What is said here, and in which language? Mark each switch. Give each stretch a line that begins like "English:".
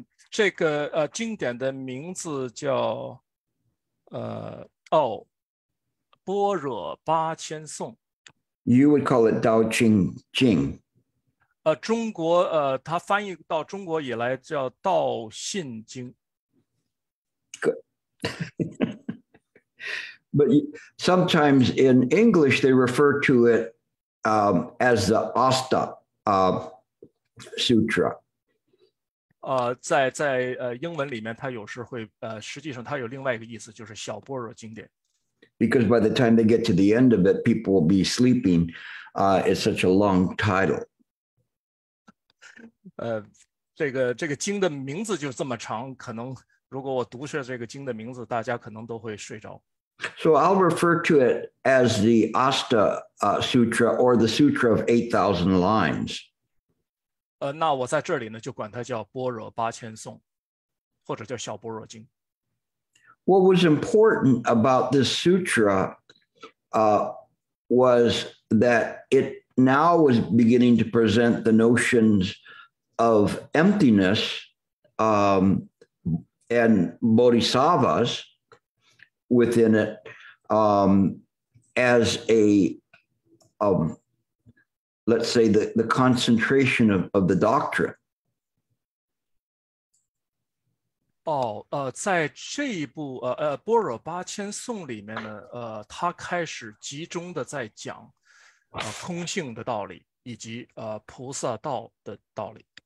Chinese: 这个经典的名字叫般若八千颂。
English: You would call it Dao Qing Jing.
Chinese: 中国它翻译到中国以来叫道信经。
English: But sometimes in English they refer to it as the Asta Sutra.
Chinese: 在英文里面它有时会实际上它有另外一个意思，就是小般若经典。
English: Because by the time they get to the end of it, people will be sleeping. It's such a long title.
Chinese: 这个经的名字就这么长，可能如果我读下这个经的名字，大家可能都会睡着。
English: So I'll refer to it as the Asta Sutra or the Sutra of 8,000 lines.
Chinese: 那我在这里呢，就管它叫般若八千颂，或者叫小般若经。
English: What was important about this sutra was that it now was beginning to present the notions of emptiness and bodhisattvas within it as a let's say the concentration of the doctrine.
Chinese: 在这一部般若八千颂里面呢，他开始集中的在讲空性的道理，以及菩萨道的道理。